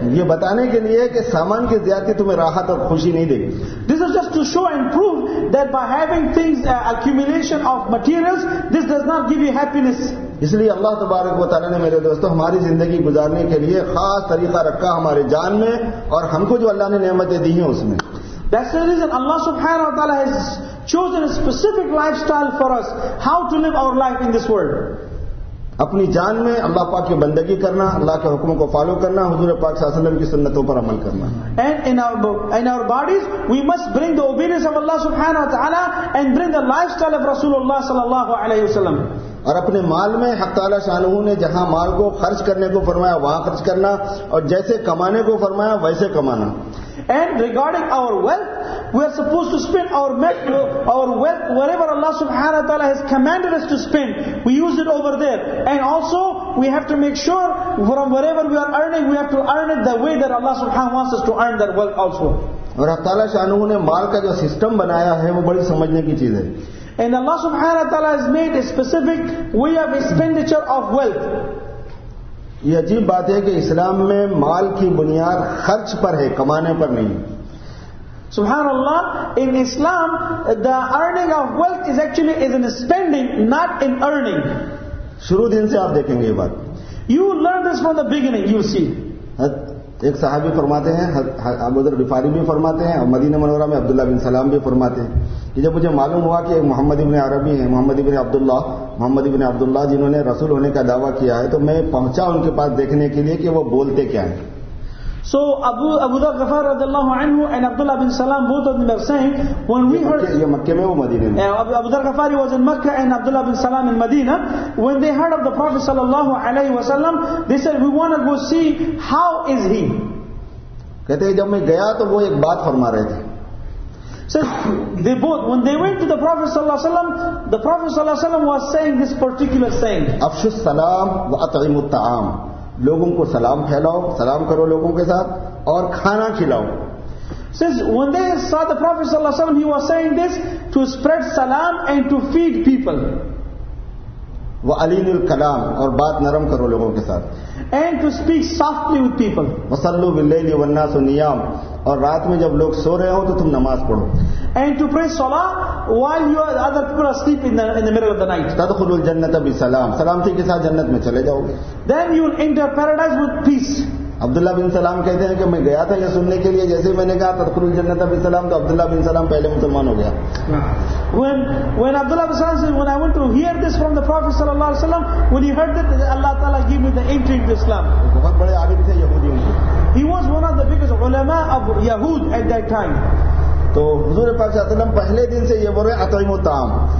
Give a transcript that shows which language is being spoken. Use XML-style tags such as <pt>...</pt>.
<hi>ये बताने के लिए कि सामान की ज्यादती तुम्हें राहत और खुशी नहीं देगी.</hi> <en>This is just to show and prove that by having things, accumulation of materials, this does not give you happiness.</en> <hi>इसलिए अल्लाह तबारक व तआला ने मेरे दोस्तों हमारी जिंदगी गुजारने के लिए खास तरीका रखा हमारे जान में और हमको जो अल्लाह ने नेमतें दी हैं उसमें.</hi> <en>That's the reason Allah subhanahu wa ta'ala has chosen a specific lifestyle for us, how to live our life in this world.</en> <hi>अपनी जान में अल्लाह पाक की बंदगी करना, अल्लाह के हुक्मों को फॉलो करना, हुजूर पाक सल्लल्लाहु अलैहि वसल्लम की सुन्नतों पर अमल करना.</hi> <en>And in our bodies we must bring the obedience of Allah subhanahu wa ta'ala and bring the lifestyle of Rasulullah sallallahu alaihi wasallam.</en> <hi>और अपने माल में हक तआला शानहू ने जहां माल को खर्च करने को फरमाया वहां खर्च करना और जैसे कमाने को फरमाया वैसे कमाना.</hi> <en>And regarding our wealth, we are supposed to spend our wealth wherever Allah subhanahu wa ta'ala has commanded us to spend. We use it over there. And also, we have to make sure from wherever we are earning, we have to earn it the way that Allah subhanahu wa ta'ala wants us to earn that wealth also.</en> <hi>और अल्लाह ताला शानहू ने माल का जो system बनाया है वो बड़ी समझने की चीज है.</hi> <en>And Allah subhanahu wa ta'ala has made a specific way of expenditure of wealth.</en> <hi>ये अजीब बात है कि इस्लाम में माल की बुनियाद खर्च पर है, कमाने पर नहीं.</hi> <en>Subhanallah, in Islam, the earning of wealth is in spending, not in earning.</en> <hi>शुरू दिन से आप देखेंगे ये बात.</hi> <en>You learn this from the beginning, you see.</en> <hi>एक सहाबी फरमाते हैं, अबू दर्र रिफारी भी फरमाते हैं, मदीना मनोरा में अब्दुल्ला बिन सलाम भी फरमाते हैं कि जब मुझे मालूम हुआ कि एक मोहम्मद इब्ने अरबी है, मोहम्मद इब्ने अब्दुल्ला जिन्होंने रसूल होने का दावा किया है, तो मैं पहुंचा उनके पास देखने के लिए कि वो बोलते क्या है.</hi> <en>So Abu Dharr Ghaffar radiallahu anhu and Abdullah bin Salam, both of them are saying, when we heard, Abu Dharr Ghaffar was in Mecca and Abdullah bin Salam in Medina, when they heard of the Prophet sallallahu alayhi wa sallam, they said, we want to go see how is he.</en> <hi>कहते हैं जब मैं गया तो वो एक बात फरमा रहे थे.</hi> <en>So they both, when they went to the Prophet sallallahu alaihi wasallam, the Prophet sallallahu alaihi wasallam was saying this particular saying.</en> <ar>अफशुस सलाम व अतइमु तआम.</ar> <hi>लोगों को सलाम फैलाओ, सलाम करो लोगों के साथ और खाना खिलाओ.</hi> <en>Since when they saw the Prophet sallallahu alaihi wasallam, he was saying this to spread salam and to feed people.</en> <ar>व अलीनुल कलाम,</ar> <hi>और बात नरम करो लोगों के साथ.</hi> <en>And to speak softly with people.</en> <ar>वसल्लु बिललैल वन्नास नियाम,</ar> <hi>और रात में जब लोग सो रहे हो तो तुम नमाज पढ़ो.</hi> <en>And to pray salah while you are, other people are asleep in the middle of the night.</en> <ar>तदखुलुल जन्नत बिसलाम,</ar> <hi>सलामती के साथ जन्नत में चले जाओगे.</hi> <en>Then you enter paradise with peace.</en> <hi>Abdullah बिन सलाम कहते हैं कि मैं गया था यह सुनने के लिए, जैसे ही मैंने कहा</hi> <ar>तदखुलुल जन्नत बिसलाम</ar> <hi>तो अब्दुल्लाह बिन सलाम पहले मुसलमान हो गया.</hi> <en>When Abdullah bin Salam said, when I went to hear this from the Prophet sallallahu alaihi wasallam, when he heard that Allah Taala gave me the entry into Islam.</en> <hi>बहुत बड़े आलिम थे यहूदी.</hi> <en>He was one of the biggest ulama of Yahud at that time.</en> <hi>तो हुजूर पाक सल्लल्लाहु अलैहि वसल्लम पहले दिन से ये बोल रहे</hi> <ar>अतइमु ताम.</ar>